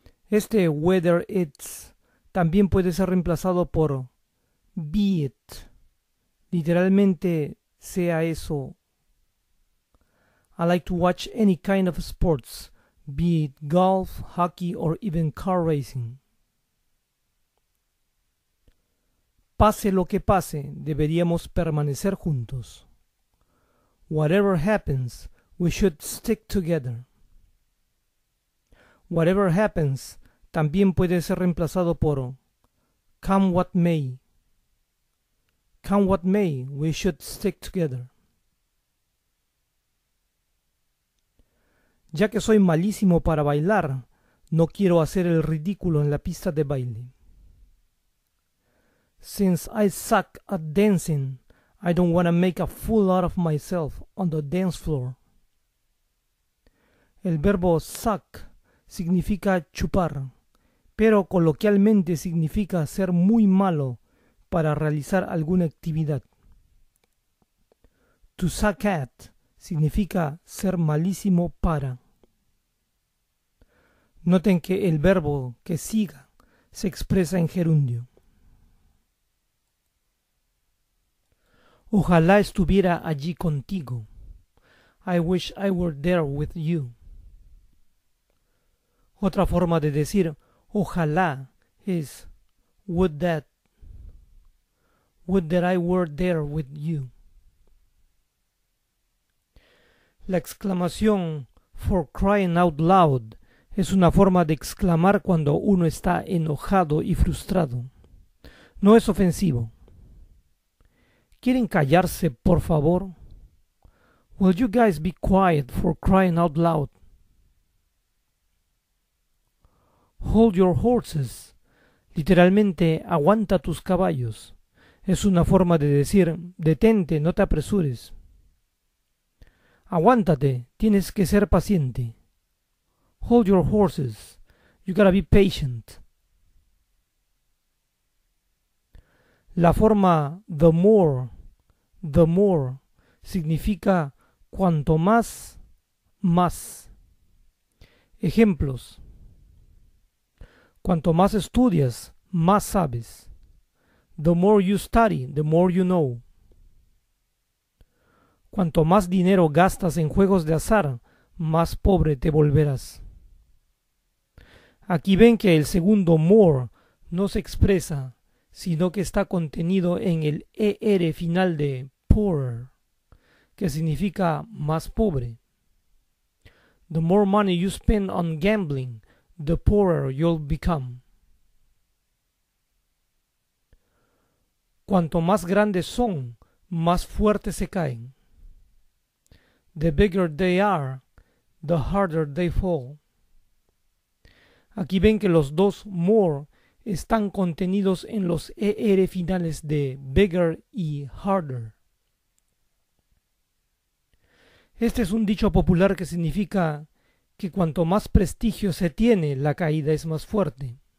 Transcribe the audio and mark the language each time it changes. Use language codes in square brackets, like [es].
[es] Este [en] whether it's [es] también puede ser reemplazado por [en] be it. [es] Literalmente, sea eso. [en] I like to watch any kind of sports, be it golf, hockey, or even car racing. [es] Pase lo que pase, deberíamos permanecer juntos. [en] Whatever happens, we should stick together. Whatever happens, [es] también puede ser reemplazado por [en] come what may. Come what may, we should stick together. [es] Ya que soy malísimo para bailar, no quiero hacer el ridículo en la pista de baile. [en] Since I suck at dancing, I don't want to make a fool out of myself on the dance floor. [es] El verbo suck significa chupar, pero coloquialmente significa ser muy malo para realizar alguna actividad. [en] To suck at [es] significa ser malísimo para. Noten que el verbo que siga se expresa en gerundio. Ojalá estuviera allí contigo. [en] I wish I were there with you. [es] Otra forma de decir ojalá es [en] would that I were there with you. [es] La exclamación [en] for crying out loud [es] es una forma de exclamar cuando uno está enojado y frustrado. No es ofensivo. ¿Quieren callarse, por favor? [en] Will you guys be quiet for crying out loud? Hold your horses. [es] Literalmente, aguanta tus caballos. Es una forma de decir, detente, no te apresures. Aguántate, tienes que ser paciente. [en] Hold your horses. You gotta be patient. [es] La forma [en] the more, [es] significa cuanto más, más. Ejemplos. Cuanto más estudias, más sabes. [en] The more you study, the more you know. [es] Cuanto más dinero gastas en juegos de azar, más pobre te volverás. Aquí ven que el segundo more no se expresa, sino que está contenido en el er final de poorer, que significa más pobre. [en] The more money you spend on gambling, the poorer you'll become. [es] Cuanto más grandes son, más fuertes se caen. [en] The bigger they are, the harder they fall. [es] Aquí ven que los dos more están contenidos en los er finales de bigger y harder. Este es un dicho popular que significa que cuanto más prestigio se tiene, la caída es más fuerte.